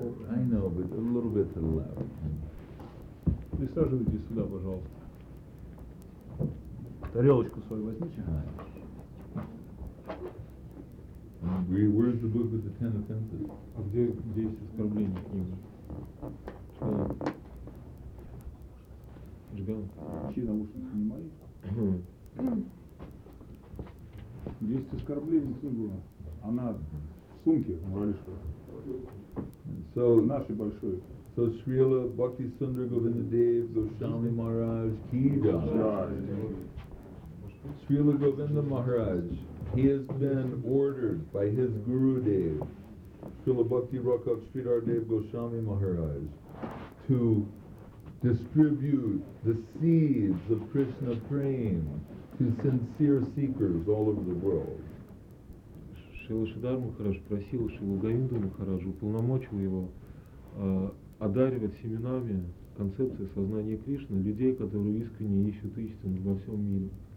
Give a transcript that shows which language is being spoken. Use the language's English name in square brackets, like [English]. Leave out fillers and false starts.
[English] I know, but a little bit to the left. [Russian] Присаживайтесь сюда, пожалуйста. Тарелочку свою возьмите. [English] Where's the book with the ten offenses? [Russian] А где есть оскорбление книги? Что? Ребята, чьи наушники снимали? Есть оскорбление книги. Она в сумке, муралишка. [English] So, so Srila Bhakti Sundar Govindadev Goswami Maharaj Ki Jai. Srila Govinda Maharaj, he has been ordered by his Gurudev, Srila Bhakti Rakhav Sridhar Dev Goswami Maharaj, to distribute the seeds of Krishna Prema to sincere seekers all over the world. [Russian] Шрила Шридхар Махарадж просил Шрилу Говинду Махараджу, уполномочил его одаривать семенами концепции сознания Кришны людей, которые искренне ищут истину во всем мире.